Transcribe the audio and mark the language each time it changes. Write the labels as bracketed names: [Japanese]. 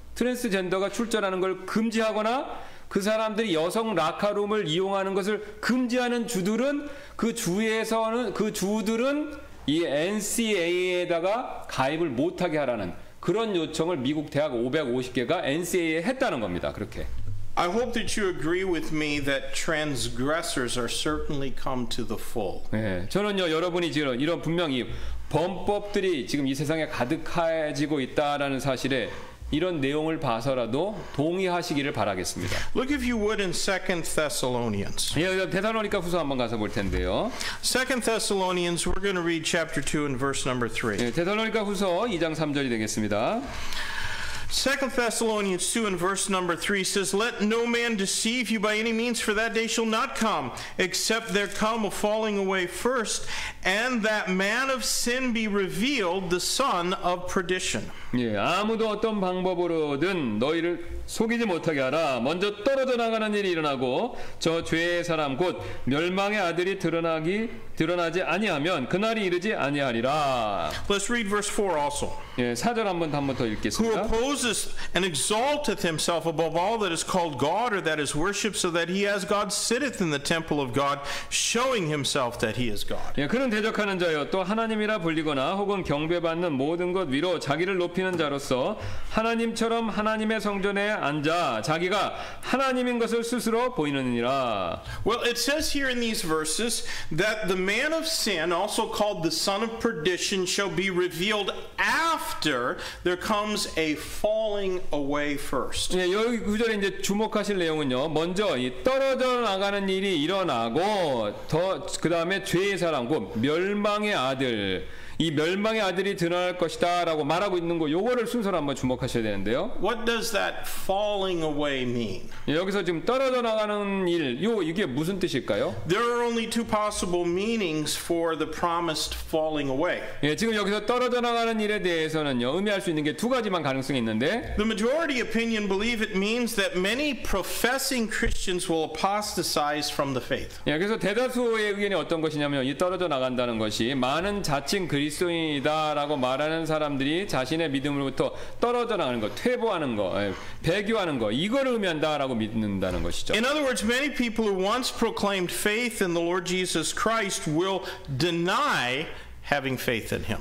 [Korean] 트랜스젠더가 출전하는 걸 금지하거나 그 사람들이 여성 라카룸을 이용하는 것을 금지하는 주들은 그 주에서는 그 주들은 이 NCAA에다가 가입을 못하게 하라는 그런 요청을 미국 대학 550개가 NCAA에 했다는 겁니다. 그렇게. [English] I hope that you agree with me that transgressors are certainly come to the full. [Korean] 예, 저는요 여러분이 지금 이런 분명히 범법들이 지금 이 세상에 가득해지고 있다라는 사실에 이런 내용을 봐서라도 동의하시기를 바라겠습니다. [English] Look if you would in 2 Thessalonians. [Korean] 예, 데살로니가 후서 한번 가서 볼 텐데요. [English] 2 Thessalonians, we're going to read chapter 2 and verse number 3. [Korean] 예, 데살로니가 후서 2장 3절이 되겠습니다. [English] 2 Thessalonians 2 and verse number 3 says, Let no man deceive you by any means, for that day shall not come, except there come a falling away first, and that man of sin be revealed, the son of perdition. [Korean] 예, 아무도 어떤 방법으로든 너희를 속이지 못하게 하라. 먼저 떨어져 나가는 일이 일어나고 저 죄의 사람 곧 멸망의 아들이 드러나지 아니하면 그날이 이르지 아니하리라. [English] Let's read verse 4 also. [Korean] 예, 4절 한번 더 읽겠습니다. [English] Who oppose Moses and exalteth himself above all that is called God or that is worshipped, so that he as God sitteth in the temple of God, showing himself that he is God. [Korean] 예, 그는 대적하는 자요 또 하나님이라 불리거나 혹은 경배받는 모든 것 위로 자기를 높이는 자로서 하나님처럼 하나님의 성전에 앉아 자기가 하나님인 것을 스스로 보이느니라. [English] Well, it says here in these verses that the man of sin, also called the son of perdition, shall be revealed after there comes a falling away first. [Korean] 예, 여기 구절에 이제 주목하실 내용은요. 먼저 이 떨어져 나가는 일이 일어나고 더 그다음에 죄의 사람 곧 멸망의 아들 이 멸망의 아들이 드러날 것이다라고 말하고 있는 거 요거를 순서로 한번 주목하셔야 되는데요. [English] What does that falling away mean? [Korean] 여기서 지금 떨어져 나가는 일 요 이게 무슨 뜻일까요? [English] There are only two possible meanings for the promised falling away. [Korean] 예, 지금 여기서 떨어져 나가는 일에 대해서는요. 의미할 수 있는 게 두 가지만 가능성이 있는데 [English] The majority opinion believe it means that many professing Christians will apostatize from the faith. [Korean] 예, 그래서 대다수의 의견이 어떤 것이냐면 이 떨어져 나간다는 것이 많은 자칭 그리스도인이다라고 말하는 사람들이 자신의 믿음으로부터 떨어져 나가는 것, 퇴보하는 것, 배교하는 것, 이거를 의미한다라고 믿는다는 것이죠. [English] In other words, many people who once proclaimed faith in the Lord Jesus Christ will deny having faith in him.